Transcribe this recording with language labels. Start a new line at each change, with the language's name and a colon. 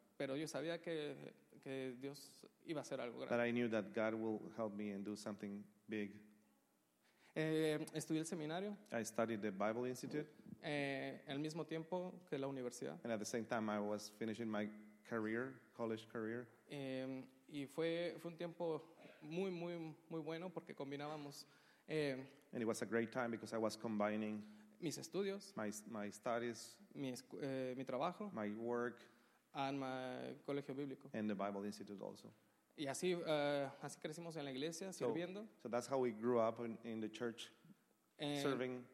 Spanish: Pero yo sabía que Dios iba a hacer algo grande.
English: But I knew that God will help me and do something big.
Spanish: Estudié el seminario.
English: I studied the Bible Institute.
Spanish: Al mismo tiempo que la universidad.
English: And at the same time I was finishing my career, college career.
Spanish: Y fue un tiempo muy, muy, muy bueno porque combinábamos.
English: And it was a great time because I was combining
Spanish: mis estudios,
English: my studies,
Spanish: mi trabajo,
English: my work, and my colegio bíblico, and the Bible Institute also.
Spanish: Y así crecimos en la iglesia, sirviendo.
English: So that's how we grew up in the church, serving